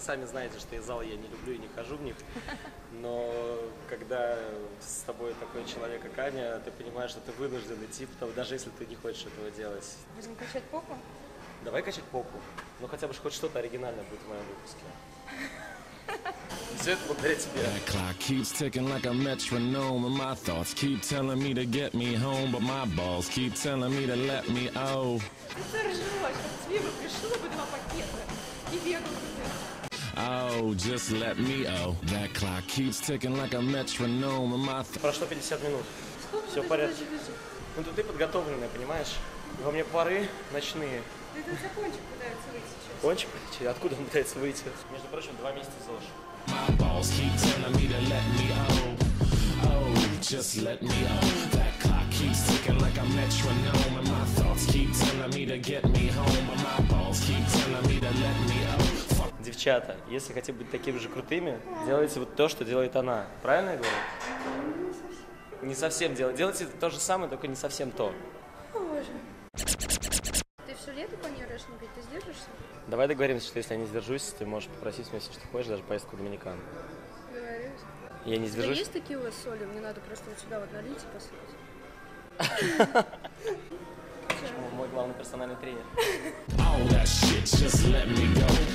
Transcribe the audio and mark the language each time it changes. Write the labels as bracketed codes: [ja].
[ru] сами знаете, что зал я не люблю и не хожу в них. Но когда с тобой такой человек, как Аня, ты понимаешь, что ты вынужден идти, даже если ты не хочешь этого делать. Будем качать попу? Давай качать попу. Ну хотя бы хоть что-то оригинальное будет в моем выпуске. [en] That clock keeps ticking like a metronome, and my thoughts keep telling me to get me home, but my balls keep telling me to let me out. Oh, just let me out. That clock keeps ticking like a metronome, and my thoughts. [ru] Прошло 50 минут. Все в порядке. Ну ты подготовленная, понимаешь? Во мне пары ночные. Кончик пытается выйти. Кончик? Откуда он пытается выйти? Между прочим, два месяца ЗОЖ. Девчата, если хотите быть такими же крутыми, делайте вот то, что делает она. Правильно я говорю? Не совсем делайте. Делайте то же самое, только не совсем то. Ты все лето планируешь не пить? Ты сдержишься? Давай договоримся, что если я не сдержусь, ты можешь попросить меня все, что хочешь, даже поездку в Доминикан. Договорюсь. Я не сдержусь. У тебя есть такие у вас соли? Мне надо просто вот сюда вот налить и послать. Мой главный персональный тренер. [en] All that shit, just let me go.